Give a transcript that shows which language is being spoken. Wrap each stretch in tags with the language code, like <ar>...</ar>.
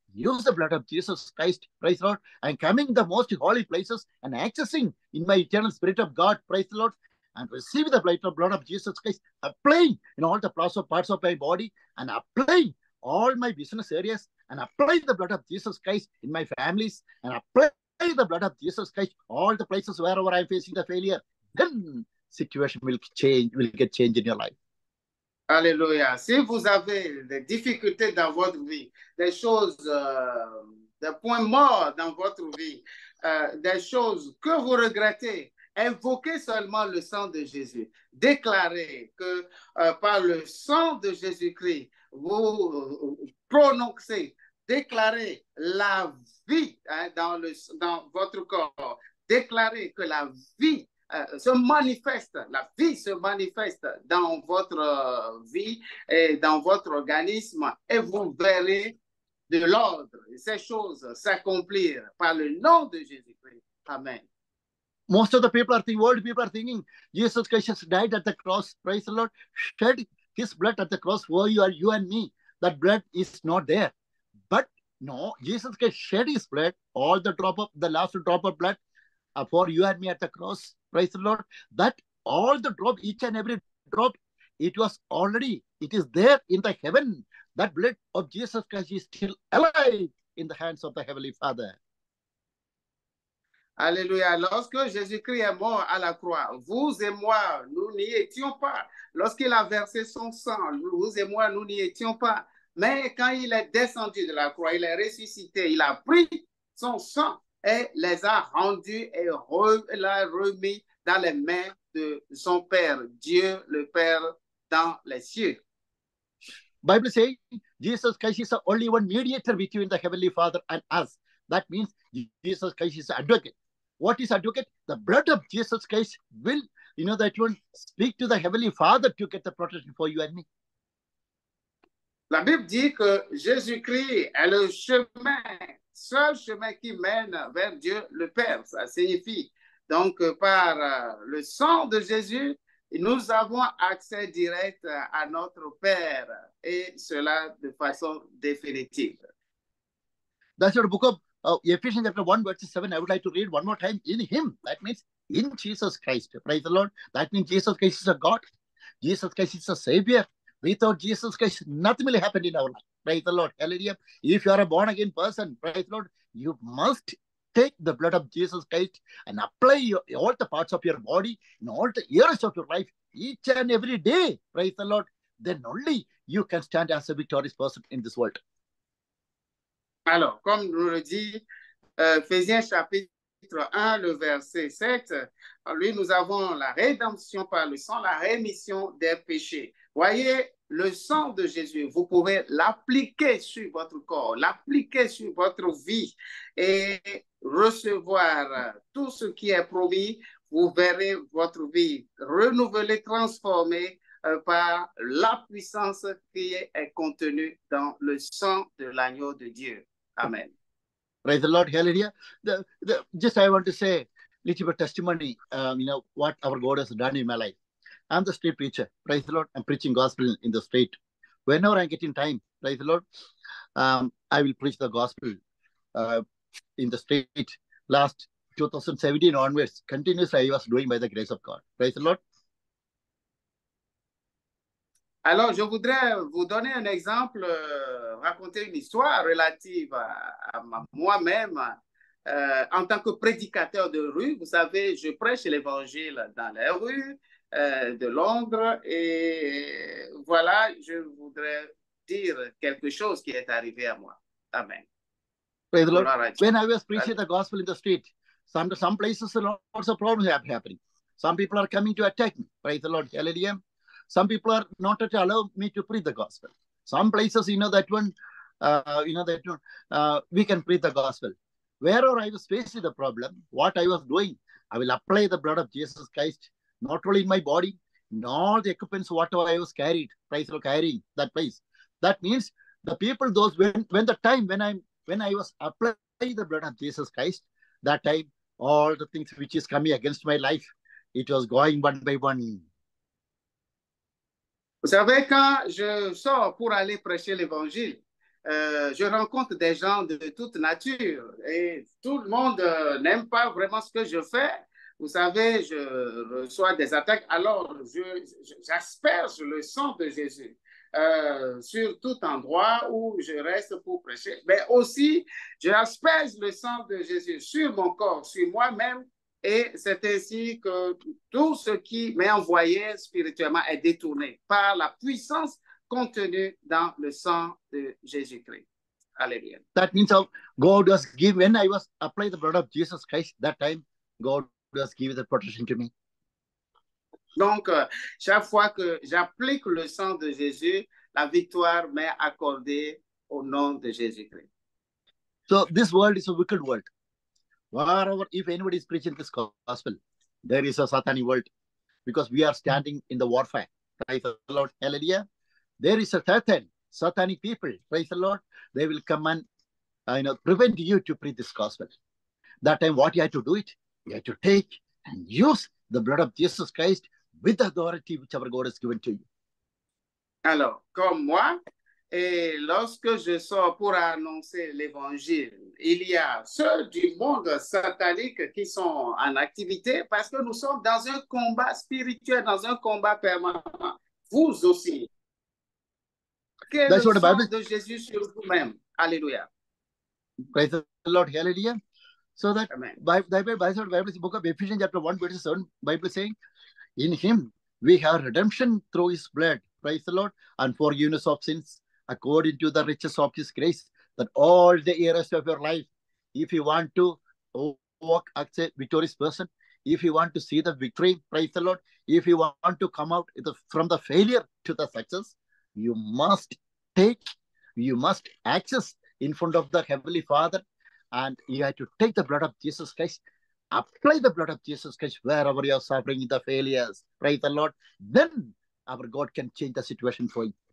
<en>Use the blood of Jesus Christ, praise the Lord, and coming to the most holy places and accessing in my eternal spirit of God, praise the Lord, and receive the blood of Jesus Christ, applying in all the parts of my body and applying all my business areas and apply the blood of Jesus Christ in my families and apply the blood of Jesus Christ all the places wherever I'm facing the failure, then situation will get changed in your life.</en> <fr>Alléluia. Si vous avez des difficultés dans votre vie, des choses, des points morts dans votre vie, des choses que vous regrettez, invoquez seulement le sang de Jésus. Déclarez que par le sang de Jésus-Christ, vous prononcez, déclarez la vie dans votre corps. Déclarez que la vie se manifeste, la vie se manifeste dans votre vie et dans votre organisme et vous verrez de l'ordre et ces choses s'accomplir par le nom de Jésus-Christ. Amen.</fr> <en>Most of the people are thinking, world people are thinking, Jesus Christ has died at the cross, praise the Lord, shed his blood at the cross for you and me. That blood is not there. But no, Jesus Christ shed his blood, all the drop of the last drop of blood for you and me at the cross, praise the Lord. That all the drop, each and every drop, it was already, it is there in the heaven. That blood of Jesus Christ is still alive in the hands of the Heavenly Father.</en> <fr>Alléluia. Lorsque Jésus-Christ est mort à la croix, vous et moi, nous n'y étions pas. Lorsqu'il a versé son sang, vous et moi, nous n'y étions pas. Mais quand il est descendu de la croix, il est ressuscité, il a pris son sang et les a rendus et l'a remis dans les mains de son Père, Dieu le Père dans les cieux.</fr> <en>Bible says, Jesus Christ is the only one mediator between the Heavenly Father and us. That means Jesus Christ is advocate. What is advocate? The blood of Jesus Christ will, you know, that one speak to the Heavenly Father to get the protection for you and me.</en> <fr>La Bible dit que Jésus-Christ est le chemin, seul chemin qui mène vers Dieu le Père. Ça signifie donc par le sang de Jésus, nous avons accès direct à notre Père et cela de façon définitive.</fr> <en>That's what the book of Ephesians chapter 1, verse 7. I would like to read one more time. In him, that means in Jesus Christ. Praise the Lord. That means Jesus Christ is a God. Jesus Christ is a Savior. Without Jesus Christ, nothing will happen in our life. Praise the Lord. Hallelujah. If you are a born again person, praise the Lord, you must take the blood of Jesus Christ and apply all the parts of your body in all the years of your life, each and every day. Praise the Lord. Then only you can stand as a victorious person in this world.</en> <fr>Alors, comme nous le dit Ephésiens chapitre 1, le verset 7, lui, nous avons la rédemption par le sang, la rémission des péchés. Voyez, le sang de Jésus, vous pouvez l'appliquer sur votre corps, l'appliquer sur votre vie et recevoir tout ce qui est promis. Vous verrez votre vie renouvelée, transformée par la puissance qui est contenue dans le sang de l'agneau de Dieu. Amen.</fr> <en>Praise the Lord, hallelujah. Just I want to say a little bit of testimony, you know, what our God has done in my life. I'm the street preacher, praise the Lord. I'm preaching gospel in the street. Whenever I get in time, praise the Lord, I will preach the gospel in the street. Last 2017 onwards, continuously I was doing by the grace of God. Praise the Lord.</en> <fr>Alors, je voudrais vous donner un exemple, raconter une histoire relative à moi-même en tant que prédicateur de rue. Vous savez, je prêche l'évangile dans les rues de Londres et voilà, je voudrais dire quelque chose qui est arrivé à moi. Amen.</fr> <en>Praise the Lord. When I was preaching the gospel in the street, some places lots of problems are happening. Some people are coming to attack me. Praise the Lord. Hallelujah. Some people are not to allow me to preach the gospel. Some places, we can preach the gospel. Wherever I was facing the problem, what I was doing, I will apply the blood of Jesus Christ, not only in my body, nor the equipments, whatever I was carried, praise the Lord, carrying that place. That means the people, those when I was applying the blood of Jesus Christ, that time, all the things which is coming against my life, it was going one by one.</en> <fr>Vous savez, quand je sors pour aller prêcher l'évangile, je rencontre des gens de toute nature et tout le monde n'aime pas vraiment ce que je fais. Vous savez, je reçois des attaques, alors j'asperge le sang de Jésus sur tout endroit où je reste pour prêcher. Mais aussi, j'asperge le sang de Jésus sur mon corps, sur moi-même Et c'est ainsi que tout ce qui m'est envoyé spirituellement est détourné par la puissance contenue dans le sang de Jésus-Christ. Alléluia.</fr> <en>That means how God was given when I was applying the blood of Jesus Christ. That time, God was giving the protection to me.</en> <fr>Donc, chaque fois que j'applique le sang de Jésus, la victoire m'est accordée au nom de Jésus-Christ.</fr> <en>So this world is a wicked world. Wherever, if anybody is preaching this gospel, there is a satanic world, because we are standing in the warfare. Praise the Lord, hallelujah. There is a satanic people. Praise the Lord. They will come and, prevent you to preach this gospel. That time, what you had to do it, you had to take and use the blood of Jesus Christ with the authority which our God has given to you.</en> <fr>Alors, comme moi. Et lorsque je sors pour annoncer l'évangile, il y a ceux du monde satanique qui sont en activité parce que nous sommes dans un combat spirituel, dans un combat permanent. Vous aussi. Quel est le sang de Jésus sur vous-même? Alléluia.</fr> <en>Praise the Lord, hallelujah. So that Bible, the book of Ephesians chapter 1, verse 7, Bible saying, in him we have redemption through his blood, praise the Lord, and forgiveness of sins. According to the riches of his grace, that all the areas of your life, if you want to walk as a victorious person, if you want to see the victory, praise the Lord, if you want to come out from the failure to the success, you must access in front of the Heavenly Father, and you have to take the blood of Jesus Christ, apply the blood of Jesus Christ wherever you are suffering the failures, praise the Lord, then our God can change the situation for you.</en>